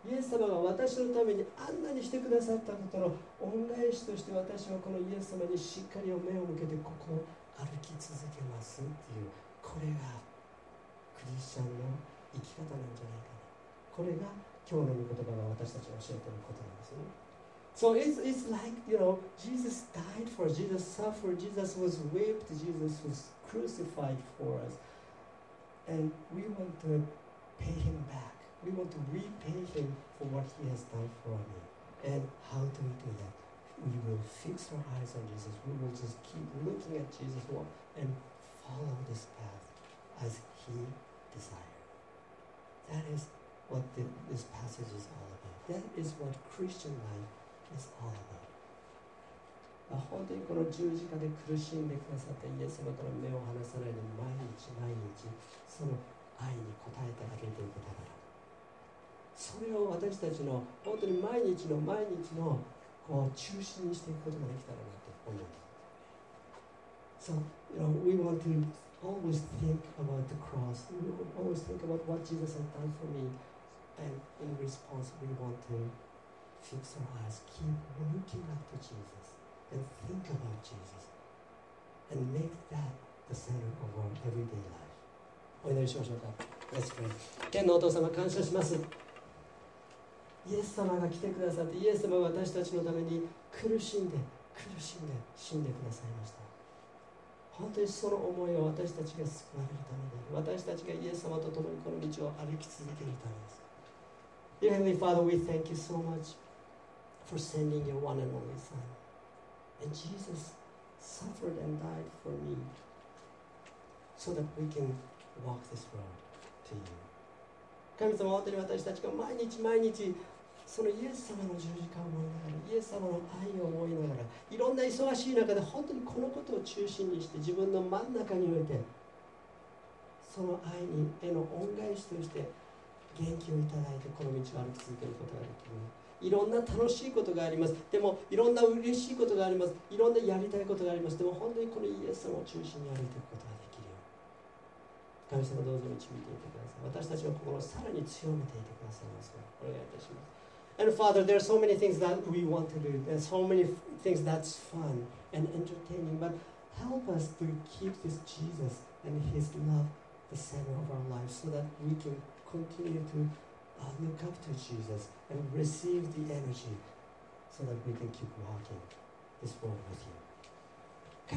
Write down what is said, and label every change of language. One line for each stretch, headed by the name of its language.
Japanese: イエス様が私のためにあんなにしてくださったことの恩返しとして、私はこのイエス様にしっかり目を向けてここを歩き続けますっていう、これがクリスチャンの生き方なんじゃないかな。これが今日の御言葉が私たちに教えていることなんですね。
English: So it's like, you know, Jesus died for us, Jesus suffered, Jesus was whipped, Jesus was crucified for us. And we want to pay him back. We want to repay him for what he has done for me. And how do we do that? We will fix our eyes on Jesus. We will just keep looking at Jesus and follow this path as he desired. That isis what this passage is all about. That is what Christian life is all about.
Japanese: 本当にこの十字架で苦しんでくださったイエス様から目を離さないで、毎日毎日その愛に応えてあげていくためだ。それを私たちの本当に毎日の毎日のこう中心にしていくことができたらなと思います。
English: So, you know, we want to always think about the cross. We always think about what Jesus has done for me. And in response, we want to fix our eyes, keep looking up to Jesus, and think about Jesus, and make that the center of our everyday life.
Japanese: お祈りしましょうか。
English: Let's pray.
Japanese: 天のお父様、感謝します。イエス様が来てくださって、イエス様は私たちのために苦しんで苦しんで死んでくださいました。本当にその思いは私たちが救われるためで、私たちがイエス様と共にこの道を歩き続けるためです。
English: Dear Heavenly Father, we thank you so much for sending your one and only Son, and Jesus suffered and died for me so that we can walk this road to you.
Japanese: 神様、本当に私たちが毎日毎日そのイエス様の十字架を思いながら、イエス様の愛を思いながら、いろんな忙しい中で本当にこのことを中心にして、自分の真ん中に置いて、その愛にへの恩返しとして元気をいただいて、この道を歩き続けることができる。いろんな楽しいことがあります。でもいろんな嬉しいことがあります。いろんなやりたいことがあります。でも本当にこのイエス様を中心に歩いていくことができるよ。神様、どうぞ導いていてください。私たちの心をさらに強めていてくださいますよ。お願いいたします。
English: And Father, there are so many things that we want to do. There are so many things that's fun and entertaining. But help us to keep this Jesus and His love the center of our lives so that we can continue to look up to Jesus and receive the energy so that we can keep walking this road with you.